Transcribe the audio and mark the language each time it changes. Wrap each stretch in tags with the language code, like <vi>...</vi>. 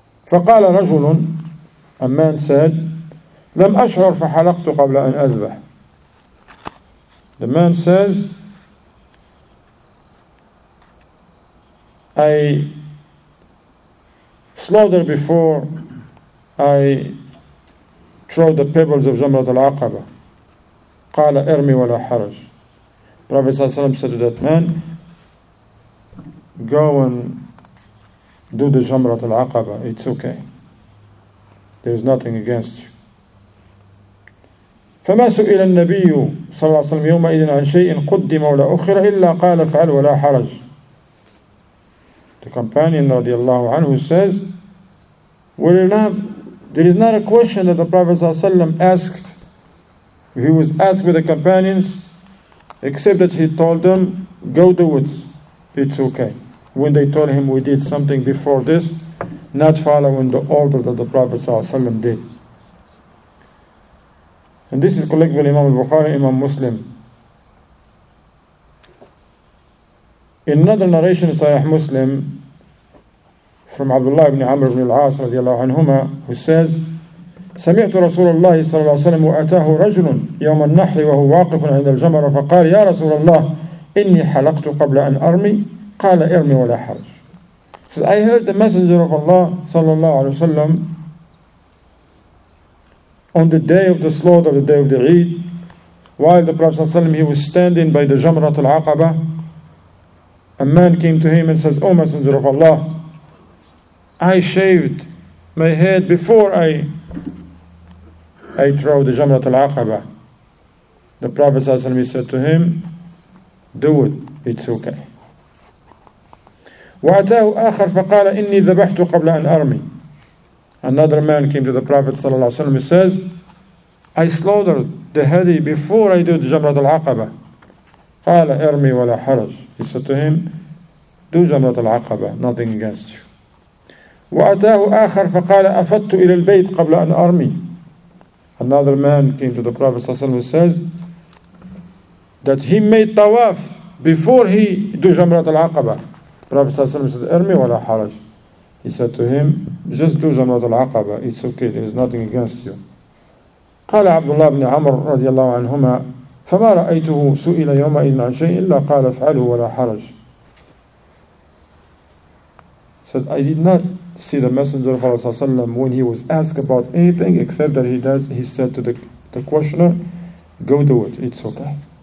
<ar>فقال رجل,</ar> <en>a man said,</en> <ar>لم أشعر فحلقت قبل أن أذبح.</ar> <en>The man says, I slaughtered before I throw the pebbles of Jamrat al-Aqaba.</en> <ar>قال ارمي ولا حرج.</ar> <en>Prophet ﷺ said to that man, go and do the Jamrat al-Aqaba. It's okay. There's nothing against you.</en> <ar>فما سئل النبي صلى الله عليه وسلم يومئذ عن شيء قدم ولا أخر إلا قال فعل ولا حرج.</ar> <en>The companion رضي الله عنه says, there is not a question that the Prophet ﷺ asked. He was asked by the companions, except that he told them, go do it, it's okay. When they told him, we did something before this, not following the order that the Prophet ﷺ did. And this is collected by Imam al-Bukhari, Imam Muslim. In another narration, Sahih Muslim, from Abdullah ibn Amr ibn al-As radiyallahu anhuma, who says,</en> <ar>سمعت رسول الله صلى الله عليه وسلم وأتاه رجل يوم النحر وهو واقف عند الجمرة فقال يا رسول الله إني حلقت قبل أن أرمي قال إرمي ولا حرج.</ar> <en>So I heard the messenger of Allah صلى الله عليه وسلم on the day of the slaughter, the day of the Eid, while the Prophet صلى الله عليه وسلم, he was standing by the جمرة العقبة, a man came to him and says, O messenger of Allah, I shaved my head before I throw the Jamrat al-Aqaba. The Prophet ﷺ said to him, do it, it's okay.</en> <ar>وَأَتَاهُ آخَرْ فَقَالَ إِنِّي ذَبَحْتُ قَبْلَ أَنْ أَرْمِي.</ar> <en>Another man came to the Prophet ﷺ and says, I slaughtered the hadi before I do the Jamrat al-Aqaba.</en> <ar>قَالَ أَرْمِي وَلَا حَرَجْ.</ar> <en>He said to him, do Jamrat al-Aqaba, nothing against you.</en> <ar>وأتاه آخر فقال أفدت إلى البيت قبل أن أرمي.</ar> <en>Another man came to the Prophet صلى الله عليه وسلم and says that he made tawaf before he do Jamrat al-Aqaba. Prophet صلى الله عليه وسلم said,</en> <ar>أرمي ولا حرج.</ar> <en>He said to him, just do Jamrat al-Aqaba, it's okay, there is nothing against you.</en> <ar>قال عبد الله بن عمر رضي الله عنهما فما رأيته سئل يومئذ عن شيء إلا قال افعله ولا حرج.</ar> <en>Said, I did not see the Messenger of Allah when he was asked about anything except that he said to the questioner, go do it, it's okay.</en>